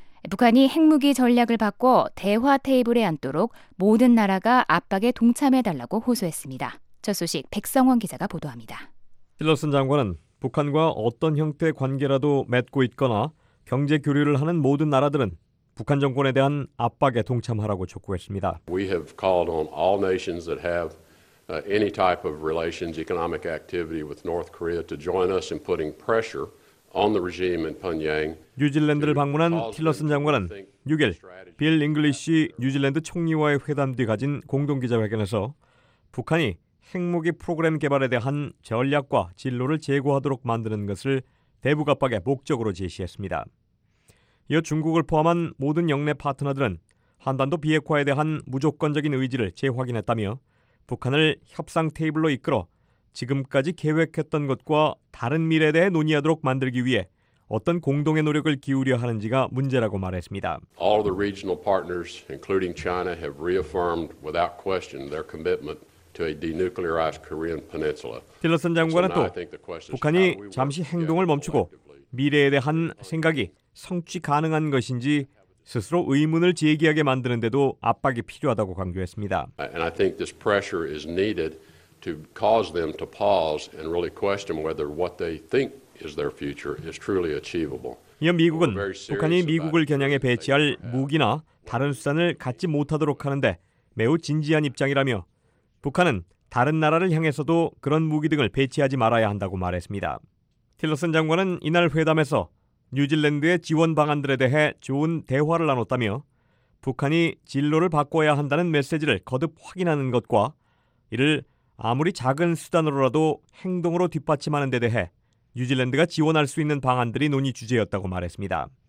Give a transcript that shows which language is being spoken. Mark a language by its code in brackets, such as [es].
[ko] 북한이 핵무기 전략을 바꿔 대화 테이블에 앉도록 모든 나라가 압박에 동참해달라고 호소했습니다. 첫 소식 백성원 기자가 보도합니다. 틸러슨 장관은 북한과 어떤 형태의 관계라도 맺고 있거나 경제 교류를 하는 모든 나라들은 북한 정권에 대한 압박에 동참하라고 촉구했습니다. [en] We have called on all nations that have any type of relations, economic activity with North Korea to join us in putting pressure on the regime in Pyongyang. [ko] 뉴질랜드를 방문한 틸러슨 장관은 6일 빌 잉글리시 뉴질랜드 총리와의 회담 뒤 가진 공동 기자회견에서 북한이 핵무기 프로그램 개발에 대한 전략과 진로를 제고하도록 만드는 것을 대북 압박의 목적으로 제시했습니다. 이어 중국을 포함한 모든 영내 파트너들은 한반도 비핵화에 대한 무조건적인 의지를 재확인했다며 북한을 협상 테이블로 이끌어 지금까지 계획했던 것과 다른 미래에 대해 논의하도록 만들기 위해 어떤 공동의 노력을 기울여 하는지가 문제라고 말했습니다. [en] All the regional partners, including China, have reaffirmed without question their commitment to a denuclearized Korean peninsula. [ko] 틸러슨 장관은 또 북한이 잠시 행동을 멈추고 미래에 대한 생각이 성취 가능한 것인지 스스로 의문을 제기하게 만드는데도 압박이 필요하다고 강조했습니다. [en] And I think this pressure is needed to cause them to pause and really question whether what they think is their future is truly achievable. [ko] 이어 미국은 북한이 미국을 겨냥해 배치할 무기나 다른 수단을 갖지 못하도록 하는데 매우 진지한 입장이라며 북한은 다른 나라를 향해서도 그런 무기 등을 배치하지 말아야 한다고 말했습니다. 틸러슨 장관은 이날 회담에서 뉴질랜드의 지원 방안들에 대해 좋은 대화를 나눴다며 북한이 진로를 바꿔야 한다는 메시지를 거듭 확인하는 것과 이를 아무리 작은 수단으로라도 행동으로 뒷받침하는 데 대해 뉴질랜드가 지원할 수 있는 방안들이 논의 주제였다고 말했습니다.